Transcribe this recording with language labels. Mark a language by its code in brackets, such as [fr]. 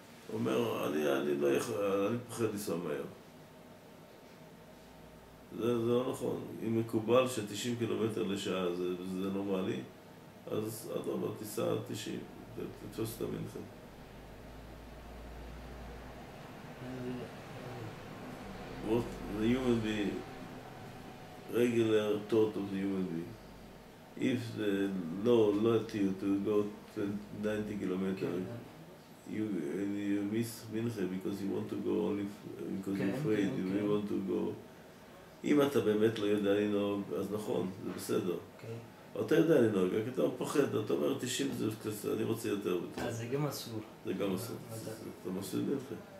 [he] הוא אומר, אני לא יכול, אני פחד לנסוע מהר. זה לא נכון. אם מקובל ש-90 קילומטר לשעה זה נורמלי, אז אדרבה, תיסע 90, תתפוס את המנחה. [en] What the human being, regular thought of the human being. If the law let you to go 90 kilometers, okay, you miss Minche because you want to go only because okay, you're afraid, okay, okay. You want to go. [he] אם אתה באמת לא יודע לנהוג, אז נכון, זה בסדר. [en] Okay. [he] אתה יודע לנהוג, רק אתה פוחד, אתה אומר 90, זה קצת, אני רוצה יותר. אז זה גם אסור. זה גם אסור. אתה מסביר מנחה.